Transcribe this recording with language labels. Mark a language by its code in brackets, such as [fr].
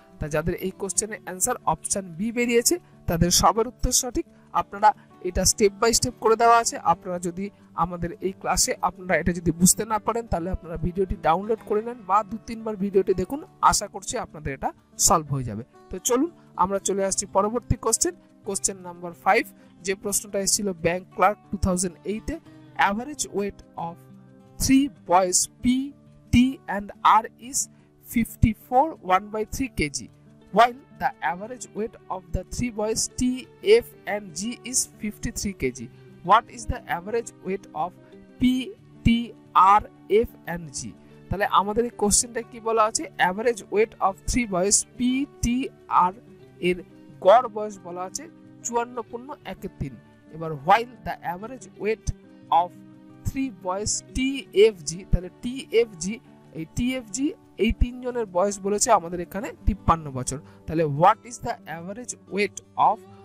[bn] তা যাদের এই কোশ্চেনের অ্যানসার অপশন বি বেরিয়েছে তাদের সবার উত্তর সঠিক আপনারা এটা স্টেপ বাই স্টেপ করে দেওয়া আছে আপনারা যদি আমাদের এই ক্লাসে আপনারা এটা যদি বুঝতে না পারেন তাহলে আপনারা ভিডিওটি ডাউনলোড করে নেন বা দু তিনবার ভিডিওটি দেখুন আশা করছি আপনাদের এটা সলভ হয়ে যাবে তো চলুন আমরা চলে আসছি পরবর্তী কোশ্চেন কোশ্চেন নাম্বার 5 যে প্রশ্নটা এসেছিল bank clerk 2008 A [en] Average weight of 3 boys P T and R is 54 1/3 kg while the average weight of the three boys T, F and G is 53 kg. What is the average weight of P, T, R, F and G? [bn] তাহলে আমাদের এই কোশ্চেনটা কি বলা আছে [en] average weight of three boys P, T, R [bn] এর গড় বয়স বলা আছে 54.13 এবার [en] while the average weight of three boys T, F, G [bn] তাহলে T, F, G এই T, F, G এই তিনজনের বয়স বলেছে আমাদের এখানে 53 বছর তাহলে [en] what is the average weight of